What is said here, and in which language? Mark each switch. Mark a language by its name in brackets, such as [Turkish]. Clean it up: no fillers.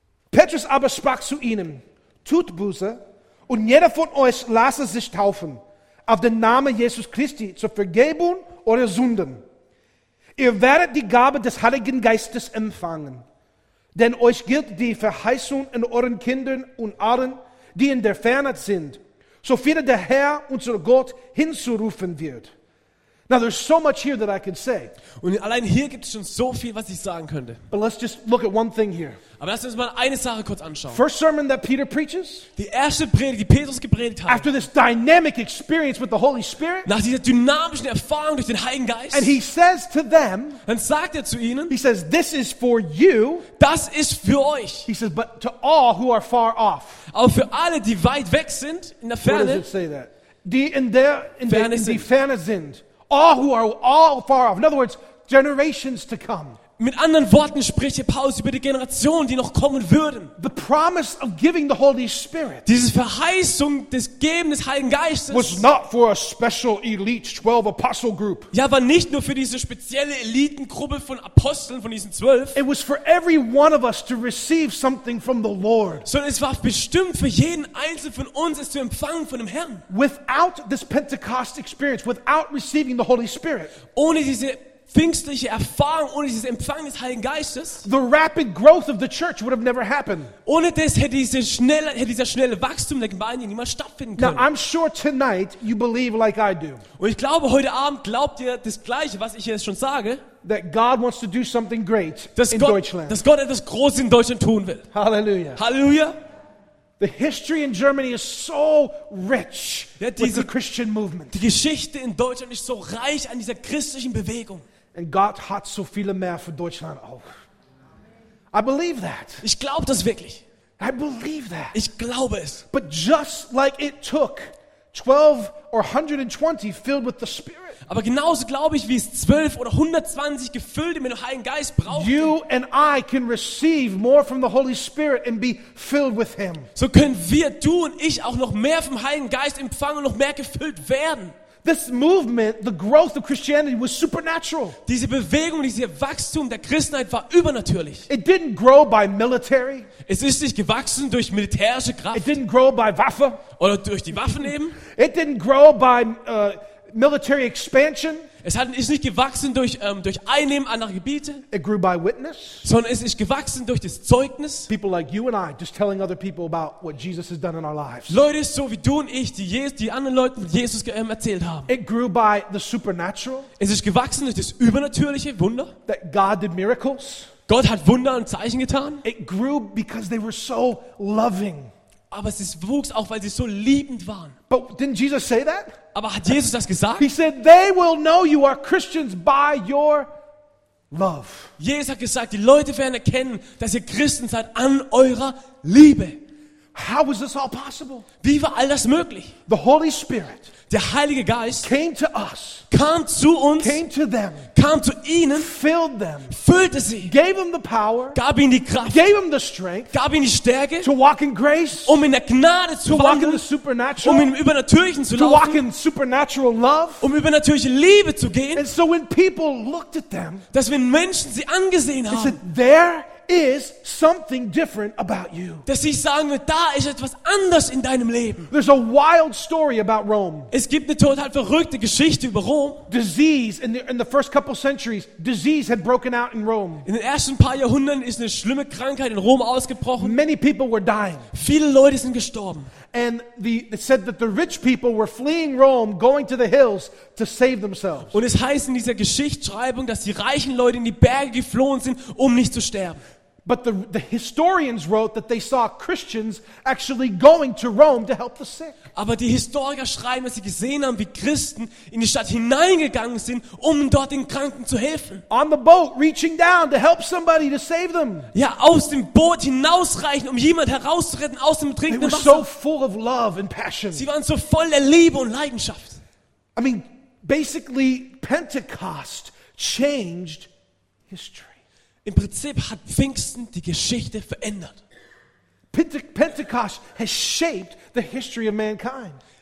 [German] Petrus aber sprach zu ihnen: Tut Buße, und jeder von euch lasse sich taufen auf den Namen Jesus Christi zur Vergebung eurer Sünden. Ihr werdet die Gabe des Heiligen Geistes empfangen, denn euch gilt die Verheißung in euren Kindern und allen, die in der Ferne sind, so viele der Herr, unser Gott, hinzurufen wird. [English] Now there's so much here that I can say. [German] Und allein hier gibt es schon so viel, was ich sagen könnte. [English] But let's just look at one thing here. [German] Aber lass uns mal eine Sache kurz anschauen. [English] First sermon that Peter preaches. [German] Die erste Predigt, die Petrus gepredigt hat. [English] After this dynamic experience with the Holy Spirit. [German] Nach dieser dynamischen Erfahrung durch den Heiligen Geist. [English] And he says to them. [German] Dann sagt zu ihnen. [English] He says, "This is for you." [German] Das ist für euch. [English] He says, "But to all who are far off." [German] Aber für alle, die weit weg sind, in der Ferne. [English] Where does it say that? [German] Die in der Ferne sind. [English] All who are all far off. In other words, generations to come. [German] Mit anderen Worten spricht hier Paulus über die Generationen, die noch kommen würden. [English] The promise of giving the Holy Spirit. [German] Diese Verheißung des Geben des Heiligen Geistes. [English] Was not for a special elite 12 apostle group. [German] Ja, war nicht nur für diese spezielle Elitengruppe von Aposteln von diesen 12. [English] It was for every one of us to receive something from the Lord. [German] Sondern es war bestimmt für jeden einzelnen von uns, es zu empfangen von dem Herrn. [English] Without this Pentecost experience, without receiving the Holy Spirit. [German] Ohne diese pfingstliche Erfahrung, ohne dieses Empfangen des Heiligen Geistes, [English] the rapid growth of the church would have never happened. [German] Ohne das hätte dieser schnelle Wachstum der Gemeinde niemals stattfinden können. [English] Now, I'm sure tonight you believe like I do. [German] Und ich glaube, heute Abend glaubt ihr das Gleiche, was ich jetzt schon sage. [English] That God wants to do something great in Deutschland. [German] Dass Gott etwas Großes in Deutschland tun will. Halleluja. Halleluja. [English] The history in Germany is so rich with the Christian movement. [German] Die Geschichte in Deutschland ist so reich an dieser christlichen Bewegung. And God hat so viele mehr für Deutschland auch. [English] I believe that. [German] Ich glaube das wirklich. [English] I believe that. [German] Ich glaube es. [English] But just like it took 12 or 120 filled with the Spirit. [German] Aber genauso glaube ich, wie es 12 oder 120 Gefüllte mit dem Heiligen Geist braucht. [English] You and I can receive more from the Holy Spirit and be filled with Him. [German] So können wir, du und ich, auch noch mehr vom Heiligen Geist empfangen und noch mehr gefüllt werden. [English] This movement, the growth of Christianity, was supernatural. [German] Diese Bewegung, dieses Wachstum der Christenheit war übernatürlich. [English] It didn't grow by military. [German] Es ist nicht gewachsen durch militärische Kraft. [English] It didn't grow by Waffe. [German] Oder durch die Waffen eben. [English] It didn't grow by military expansion. [German] Es ist nicht gewachsen durch Einnehmen anderer Gebiete. [English] It grew by witness. [German] Sondern es ist gewachsen durch das Zeugnis. [English] People like you and I, just telling other people about what Jesus has done in our lives. [German] Leute so wie du und ich, die anderen Leuten Jesus erzählt haben. [English] It grew by the supernatural. [German] Es ist gewachsen durch das übernatürliche Wunder. [English] That God did miracles. [German] Gott hat Wunder und Zeichen getan. [English] It grew because they were so loving. [German] Aber es wuchs auch, weil sie so liebend waren. [English] But didn't Jesus say that? [German] Aber hat Jesus das gesagt? [English] He said, they will know you are Christians by your love. [German] Jesus hat gesagt, die Leute werden erkennen, dass ihr Christen seid an eurer Liebe. [English] How was this all possible? [German] Wie war all das möglich? [English] The Holy Spirit, [German] der Heilige Geist, [English] came to us, [German] kam zu uns, [English] came to them, [German] kam zu ihnen, [English] filled them, [German] füllte sie, [English] gave them the power, [German] gab ihnen die Kraft, [English] gave them the strength, [German] gab ihnen die Stärke, [English] to walk in grace, [German] um in der Gnade zu wandeln, [English] walk in the supernatural, [German] um im Übernatürlichen zu laufen, [English] to walk in supernatural love, [German] um übernatürliche Liebe zu gehen. [English] And so when people looked at them, [German] dass wenn Menschen sie angesehen haben, [English] they said, there is something different about you. [German] Dass sie sagen, da ist etwas anders in deinem Leben. [English] There's a wild story about Rome. [German] Es gibt eine total verrückte Geschichte über Rom. [English] Disease in the first couple centuries, disease had broken out in Rome. [German] In den ersten paar Jahrhunderten ist eine schlimme Krankheit in Rom ausgebrochen. [English] Many people were dying. [German] Viele Leute sind gestorben. [English] And it said that the rich people were fleeing Rome, going to the hills to save themselves. [German] Und es heißt in dieser Geschichtsschreibung, dass die reichen Leute in die Berge geflohen sind, um nicht zu sterben. [English] But the historians wrote that they saw Christians actually going to Rome to help the sick. [German] Aber die Historiker schreiben, dass sie gesehen haben, wie Christen in die Stadt hineingegangen sind, um dort den Kranken zu helfen. [English] On the boat, reaching down to help somebody to save them. [German] Ja, aus dem Boot hinausreichen, um jemand herauszuretten aus dem trinkenden Wasser. [English] They were so full of love and passion. [German] Sie waren so voller Liebe und Leidenschaft. [English] I mean, basically, Pentecost changed history. [German] Im Prinzip hat Pfingsten die Geschichte verändert. [English] Pentecost has shaped the history of mankind.